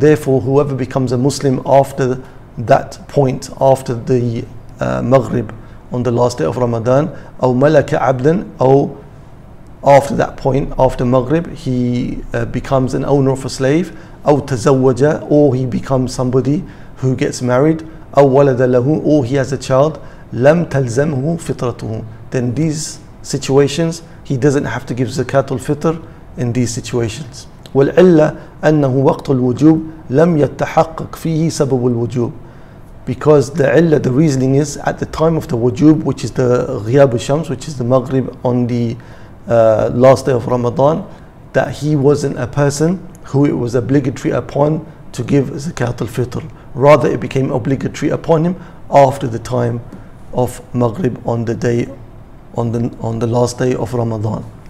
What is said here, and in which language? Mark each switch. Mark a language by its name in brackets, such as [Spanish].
[English] Therefore, whoever becomes a Muslim after that point, after the maghrib on the last day of Ramadan, [Arabic] أَوْ مَلَكَ عَبْدًا, أَوْ [English] after that point, after Maghrib, he becomes an owner of a slave, [Arabic] أو تزوج, [English] or he becomes somebody who gets married, [Arabic] أو ولد له, [English] or he has a child, [Arabic] لم تلزمه فطرته. [English] Then these situations, he doesn't have to give zakat al-fitr in these situations. [Arabic] والعلة أنه وقت الوجوب لم يتحقق فيه سبب الوجوب. [English] Because the علة, the reasoning is, at the time of the wujub, which is the [Arabic] غياب الشمس, [English] which is the Maghrib on the last day of Ramadan, that he wasn't a person who it was obligatory upon to give zakat al-fitr. Rather, it became obligatory upon him after the time of Maghrib on the day, on the last day of Ramadan.